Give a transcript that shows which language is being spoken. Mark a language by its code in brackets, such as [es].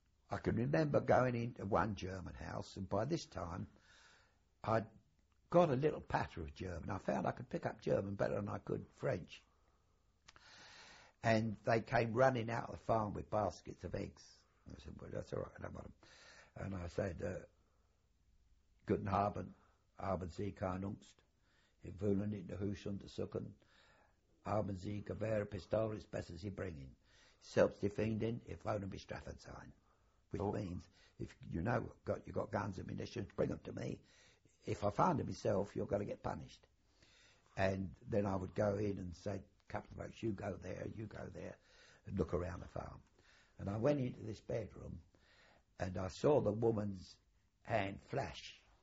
[en] I can remember going into one German house, and by this time I'd got a little patter of German. I found I could pick up German better than I could French. And they came running out of the farm with baskets of eggs. I said, well, that's all right, I don't want them. And I said, [de] Guten Abend, haben Sie keine Angst? Ich will nicht die Hüsch untersuchen. Haben Sie Gewehr, Pistole, ist besser Sie bringen. Selbstdefending, ich will nicht bestraffen sein. [en] Which means, if you know you've got guns and munitions, bring them to me. If I find them myself, you're going to get punished. And then I would go in and say, couple of folks, you go there, and look around the farm. And I went into this bedroom, and I saw the woman's hand flash.